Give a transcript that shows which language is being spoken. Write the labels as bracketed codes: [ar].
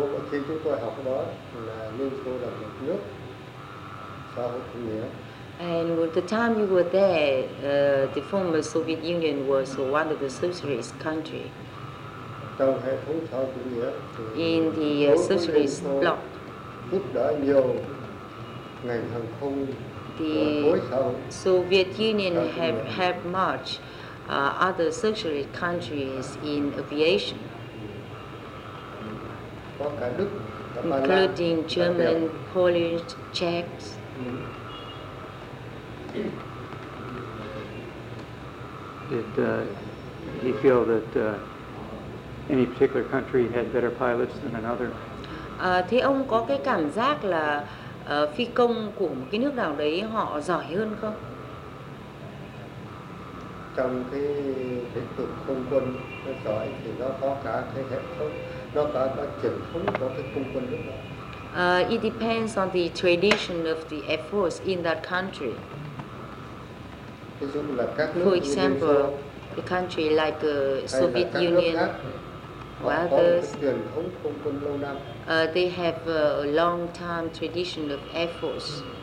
[vi] Khi chúng tôi học đó là Liên Xô là một nước xã hội chủ nghĩa. [en] And with the time you were there, the former Soviet Union was one of the socialist country. [vi] Trong hệ thống xã hội chủ nghĩa. [en] In the socialist bloc. [vi] Giúp đỡ nhiều ngành hàng không [en] the [vi] khối xã hội. [en] Soviet Union have much other socialist countries in aviation. [vi] Có cả Đức, [en] including [vi] Lan, [en] German, Polish, Czech. Did he feel that any particular country had better pilots than another? [vi] Thế ông có cái cảm giác là phi công của một cái nước nào đấy họ giỏi hơn không? Trong cái lĩnh vực không quân nó giỏi thì nó có cả cái hệ thống, nó có cả truyền thống của cái không quân nước đó. [en] It depends on the tradition of the Air Force in that country. [vi] Ví dụ là các nước [en] For example, the country like the Soviet Union. They have a long time tradition of Air Force.